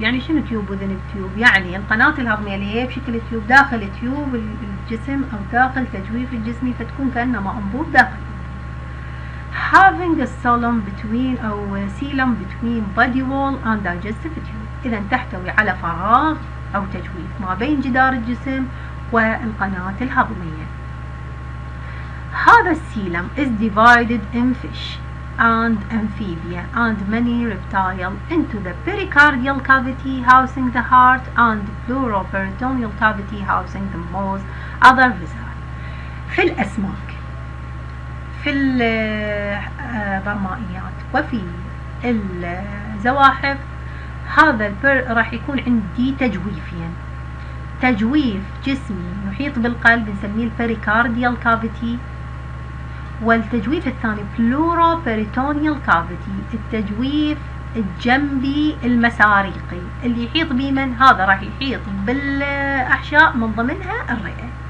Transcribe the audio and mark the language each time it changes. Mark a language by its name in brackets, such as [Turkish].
[Arabic] يعني شنو [English] tube within a tube؟ [Arabic] يعني القناة الهضمية اللي هي بشكل tube داخل tube الجسم أو داخل تجويف الجسمي، فتكون كأنما أنبوب داخل. [English] Having a solum between or coelom between body wall and digestive tube. [Arabic] إذا تحتوي على فراغ أو تجويف ما بين جدار الجسم والقناة الهضمية. هذا السيلم [English] is divided in fish and amphibia and many reptile into the pericardial cavity housing the heart and the pleuroperitoneal cavity housing the most other vessels. [Arabic] في الأسماك، في البرمائيات وفي الزواحف، هذا البر راح يكون عندي تجويفين، تجويف جسمي محيط بالقلب نسميه البريكارديال كافيتي، والتجويف الثاني بلوروبريتونيال كافيتي، التجويف الجنبي المساريقي اللي يحيط به من هذا، راح يحيط بالأحشاء من ضمنها الرئة.